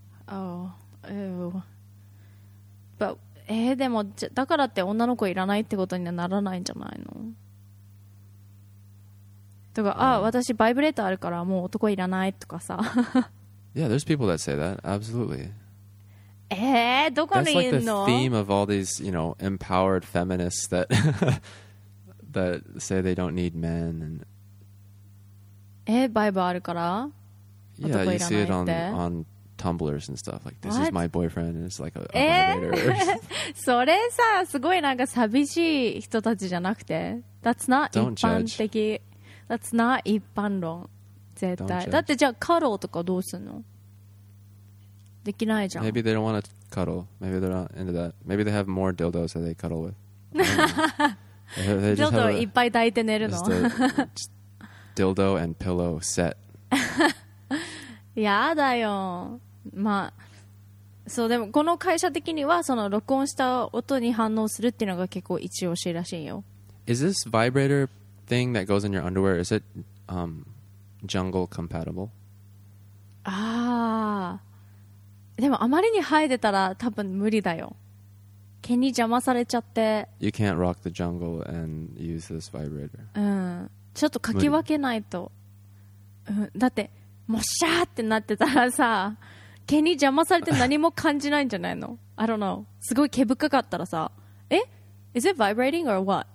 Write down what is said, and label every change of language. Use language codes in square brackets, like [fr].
[en] Oh, ew. [ja] But でもだからって女の子いらないってことにはならないんじゃないの？とか、あ、私バイブレーターあるからもう男いらないとかさ [en] Yeah, there's people that say that. Absolutely. [ja] どこにいるの? [en] That's like the theme of all these, you know, empowered feminists that, that say they don't need men. And... [ja] バイブあるから? [en] Yeah, you see it on Tumblrs and stuff. Like, this、What? Is my boyfriend. And it's like a vibrator. [ja] それさ、すごいなんか寂しい人たちじゃなくて。 [en] That's not 一般的。That's not 一般論。絶対。 [ja] だってじゃあ、カローとかどうすんの? できないじゃん。 [en] Maybe they don't want to cuddle. Maybe they're not into that. Maybe they have more dildos that they cuddle with. [ja] Dildo いっぱい抱いて寝るの? [en] Dildo and pillow set. [ja] やだよ。まあ、そうでもこの会社的にはその録音した音に反応するっていうのが結構一押しらしいよ。 [en] Is this vibrator thing that goes in your underwear, is it jungle compatible? [ja] ああ。でもあまりに生えてたら多分無理だよ。毛に邪魔されちゃって [en] You can't rock the jungle and use this vibrator、 [ja] うん、ちょっとかき分けないと、うん、だってもっしゃーってなってたらさ毛に邪魔されて何も感じないんじゃないの [en] I don't know [ja] すごい毛深かったらさえ [en] Is it vibrating or what?